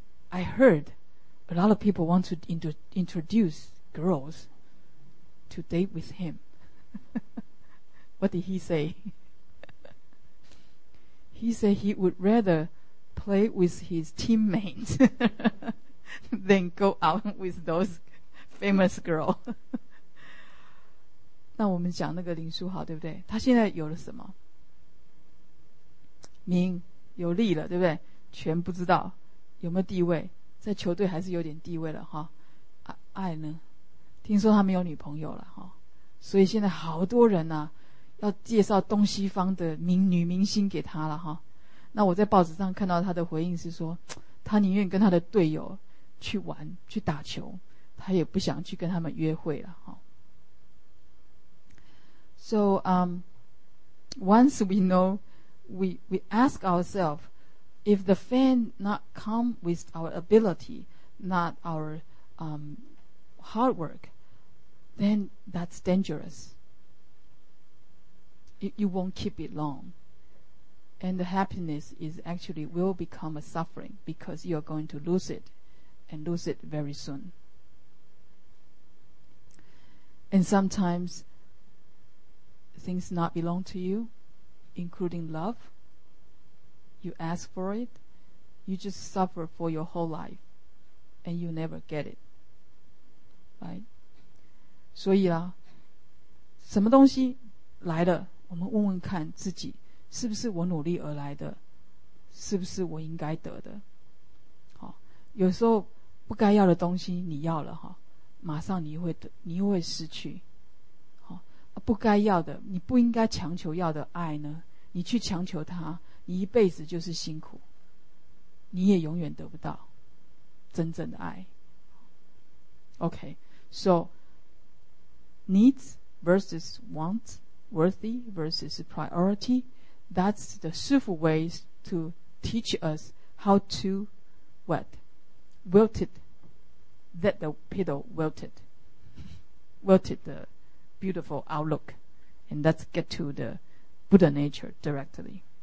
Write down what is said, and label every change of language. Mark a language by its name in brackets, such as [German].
[English] I heard a lot of people want to introduce girls to date with him. What did he say? He said he would rather play with his teammates than go out with those famous girls. [Chinese] 那我们讲那个林书豪，对不对？他现在有了什么？名，有利了，对不对？权不知道，有没有地位？在球队还是有点地位了哈。爱呢？听说他没有女朋友了哈，所以现在好多人啊，要介绍东西方的女明星给他了哈。那我在报纸上看到他的回应是说，他宁愿跟他的队友去玩去打球，他也不想去跟他们约会了哈。 [English] So, once we know, we ask ourselves, if the fame not come with our ability, not our hard work, then that's dangerous. You won't keep it long. And the happiness will become a suffering because you're going to lose it, and lose it very soon. And sometimes, things not belong to you, including love. You ask for it, you just suffer for your whole life, and you never get it. Right? [Chinese] 所以啦，什么东西来了，我们问问看自己，是不是我努力而来的，是不是我应该得的。好，有时候不该要的东西你要了哈，马上你又会失去。好，不该要的，你不应该强求要的爱呢，你去强求它，你一辈子就是辛苦，你也永远得不到真正的爱。 [English] OK, so needs versus want, worthy versus priority, that's the Sufu ways to teach us how to let the petal wilted the beautiful outlook, and let's get to the Buddha nature directly.